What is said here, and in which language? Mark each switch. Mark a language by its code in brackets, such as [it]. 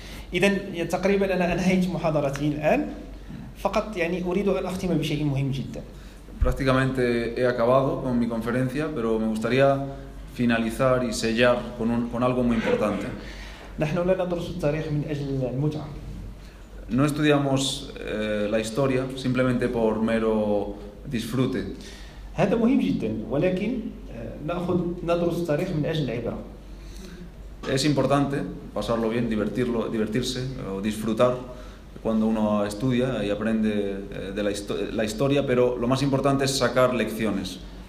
[ar] إذن تقريبا أنا أنهيت محاضرتي الآن فقط يعني أريد أن أختم بشيء مهم جدا. [es] Prácticamente he acabado con mi conferencia, pero me gustaría finalizar y sellar con algo muy importante. [ar] نحن لا ندرس التاريخ من أجل المتعة. [es] No estudiamos la historia simplemente por mero disfrute. [ar] هذا مهم جدا ولكن نأخذ ندرس التاريخ من أجل العبرة. [es] Es importante pasarlo bien, divertirse o disfrutar cuando uno estudia y aprende de la historia, pero lo más importante es sacar lecciones.